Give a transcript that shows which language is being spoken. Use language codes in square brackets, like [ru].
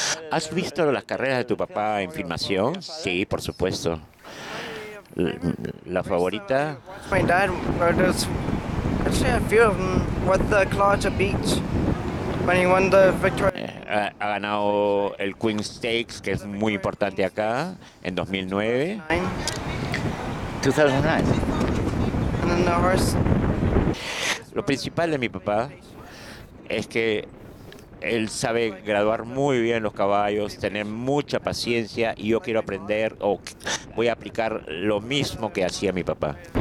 [es] ¿Has visto las carreras de tu papá en filmación? Sí, por supuesto. La favorita. [en] My dad, there's actually a few of them with the Claudia Beach when he won the victory. [es] Ha ganado el Queen Stakes, que es muy importante acá, en 2009. [en] 2009. And then the horse. [es] Lo principal de mi papá es que él sabe graduar muy bien los caballos, tener mucha paciencia, y yo quiero aprender o voy a aplicar lo mismo que hacía mi papá.